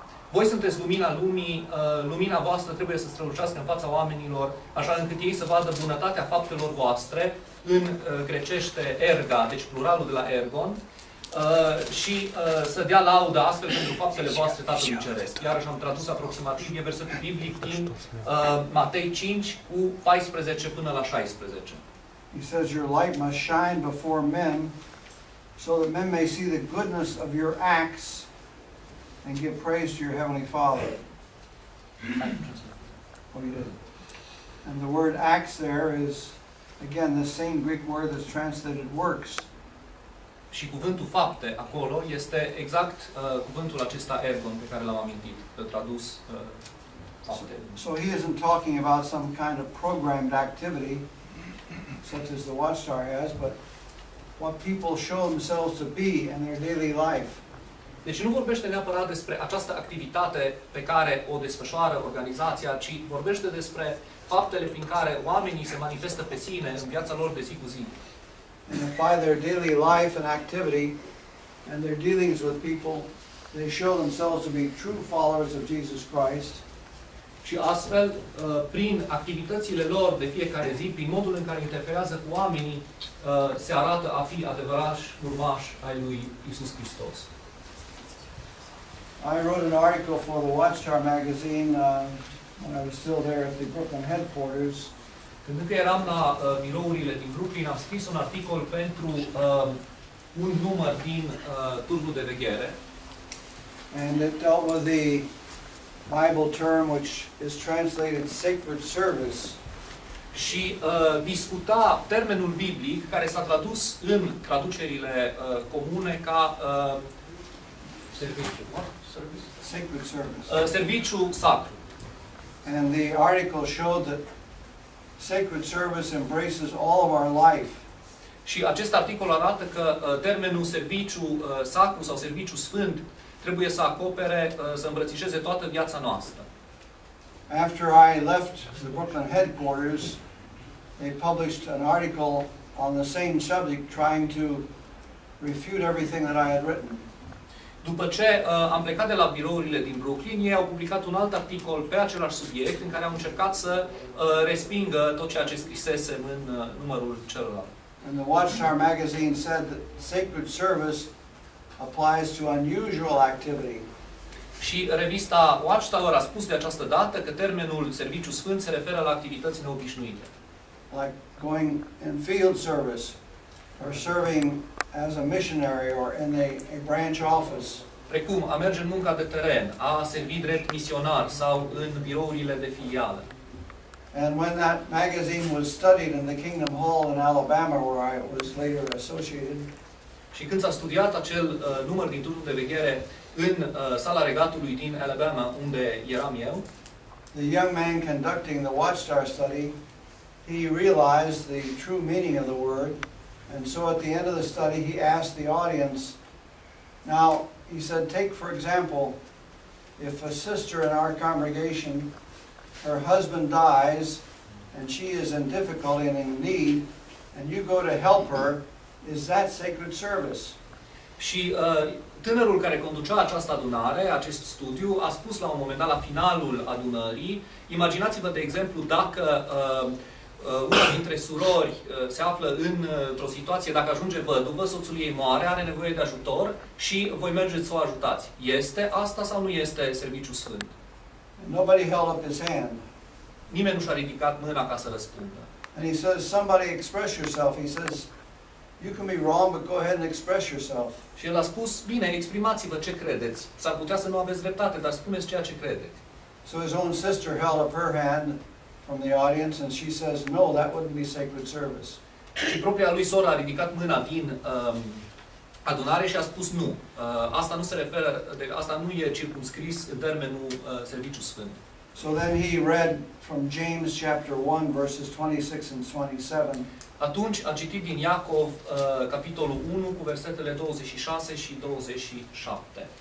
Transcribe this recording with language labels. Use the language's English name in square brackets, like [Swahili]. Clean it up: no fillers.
[Romanian] Voi sunteți lumina lumii, lumina voastră trebuie să strălucească în fața oamenilor, așa încât ei să vadă bunătatea faptelor voastre, în grecește erga, deci pluralul de la ergon, și să dea lauda astfel pentru faptele voastre Tatălui Ceresc. Iarăși am tradus aproximativ, e versetul biblic din Matei 5 cu 14 până la 16. [English] He says your light must shine before men so that men may see the goodness of your acts and give praise to your heavenly Father. What he did. And the word acts there is again the same Greek word that's translated works. [Romanian] Și cuvântul fapte acolo este exact cuvântul acesta ergon pe care l-am amintit, tradus fapte. [English] So he isn't talking about some kind of programmed activity such as the Watchtower has, but what people show themselves to be in their daily life. [Romanian] Deci nu vorbește neapărat despre această activitate pe care o desfășoară organizația, ci vorbește despre faptele prin care oamenii se manifestă pe sine în viața lor de zi cu zi. [English] And by their daily life and activity and their dealings with people, they show themselves to be true followers of Jesus Christ. [Romanian] Și astfel, prin activitățile lor de fiecare zi, prin modul în care interacționează cu oamenii, se arată a fi adevărași urmași ai lui Iisus Hristos. [English] I wrote an article for the Watchtower magazine when I was still there at the Brooklyn headquarters. [Romanian] Când încă eram la birourile din Brooklyn, am scris un articol pentru un număr din turnul de veghere. [English] And it dealt with the Bible term which is translated sacred service. [Romanian] Și discuta termenul biblic care s-a tradus în traducerile comune ca serviciu, [English] sacred service. [Romanian] Serviciu sacru. [English] And the article showed that sacred service embraces all of our life. [Romanian] Și acest articol arată că termenul serviciu sacru sau serviciu sfânt trebuie să acopere, să îmbrățișeze toată viața noastră. [English] After I left the Brooklyn headquarters, they published an article on the same subject trying to refute everything that I had written. [Romanian] După ce am plecat de la birourile din Brooklyn, ei au publicat un alt articol pe același subiect în care au încercat să respingă tot ceea ce scrisesem în numărul celălalt. [English] And the Watchtower magazine said that sacred service applies to unusual activity. [Romanian] Și revista Watchtower a spus de această dată că termenul serviciu sfânt se referă la activități neobișnuite. [English] Like going in field service or serving as a missionary or in a branch office. [Romanian] Precum a merge în munca de teren, a servi drept misionar sau în birourile de filială. [English] And when that magazine was studied in the Kingdom Hall in Alabama where I was later associated. [Romanian] Și când s-a studiat acel număr din turnul de veghere în sala regatului din Alabama unde eram eu. [English] The young man conducting the Watchtower study, he realized the true meaning of the word, and so at the end of the study he asked the audience, now he said, take for example, if a sister in our congregation, her husband dies and she is in difficulty and in need, and you go to help her, is that sacred service? [Romanian] Și tânărul care conducea această adunare, acest studiu, a spus la un moment dat, la finalul adunării, imaginați-vă de exemplu dacă una dintre surori se află într-o situație, dacă ajunge văduvă, soțul ei moare, are nevoie de ajutor și voi mergeți să o ajutați. Este asta sau nu este serviciu sfânt? [English] Nobody held up his hand. [Romanian] Nimeni nu și-a ridicat mâna ca să răspundă. [English] And he says, somebody express yourself. He says, you can be wrong, but go ahead and express yourself. [Romanian] Și el a spus, bine, exprimați-vă ce credeți. S-ar putea să nu aveți dreptate, dar spuneți ceea ce credeți. [English] So his own sister held up her hand from the audience and she says, no, that wouldn't be sacred service. [Romanian] Și propria lui soră a ridicat mâna din adunare și a spus nu. Asta nu se referă, asta nu e circumscris în termenul serviciu sfânt. [English] So then he read from James chapter 1 verses 26 and 27. [Romanian] Atunci a citit din Iacov capitolul 1 cu versetele 26 și 27.